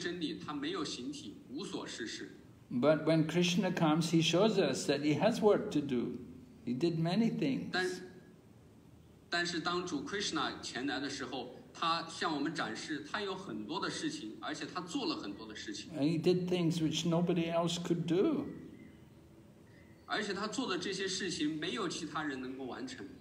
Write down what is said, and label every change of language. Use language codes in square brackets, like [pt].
[zh] 人们认为绝对真理他没有形体，无所事事。 [en] But when Krishna comes, he shows us that he has work to do. He did many things. [zh] 但是当主Krishna前来的时候, 他向我们展示他有很多的事情, 而且他做了很多的事情。 [en] And he did things which nobody else could do. [zh] 而且他做的这些事情没有其他人能够完成。